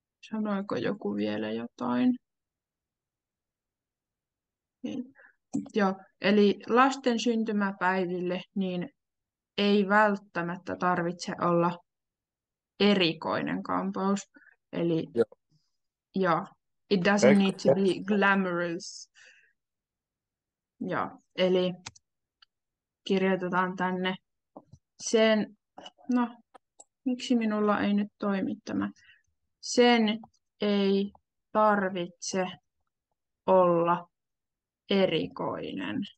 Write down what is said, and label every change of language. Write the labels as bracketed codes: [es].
[fi] Sanoiko joku vielä jotain? Niin. Joo, eli lasten syntymäpäiville niin ei välttämättä tarvitse olla erikoinen kampaus. Eli joo, [en] it doesn't need to be glamorous. [fi] Joo, eli kirjoitetaan tänne sen, no miksi minulla ei nyt toimi tämä? Sen ei tarvitse olla erikoinen.